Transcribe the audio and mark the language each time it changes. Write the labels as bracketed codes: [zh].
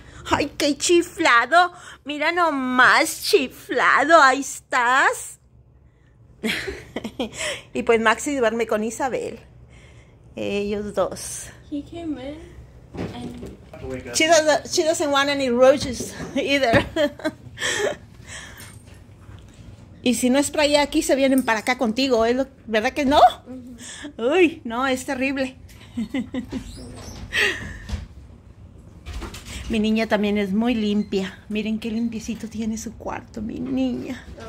[es] Ay, qué chiflado. Mira nomás, chiflado. Ahí estás. Y pues Maxi duerme con Isabel. Ellos dos. [en] He came in and She doesn't want any roaches either. [es] Y si no es para allá aquí, se vienen para acá contigo, ¿eh? ¿Verdad que no? Uy, no, es terrible. Mi niña también es muy limpia. Miren qué limpiecito tiene su cuarto, mi niña.